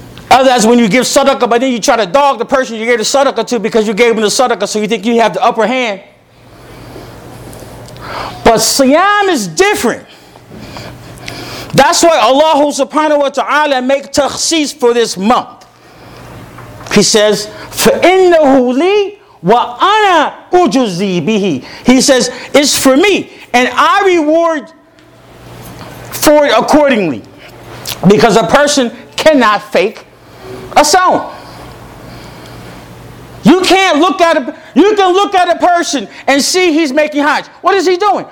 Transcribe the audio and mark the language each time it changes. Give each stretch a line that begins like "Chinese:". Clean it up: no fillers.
English: Otherwise, when you give sadaqah but then you try to dog the person you gave the sadaqah to because you gave them the sadaqah, so you think you have the upper hand. But siyam is different. That's why Allah subhanahu wa ta'ala make takhsis for this month. He says,
Arabic: فَإِنَّهُ لِي وَأَنَا أُجُزِّي بِهِ.
English: He says, it's for me, and I reward for it accordingly. Because a person cannot fake a soul. You can't look at a, you can look at a person and see he's making hajj. What is he doing?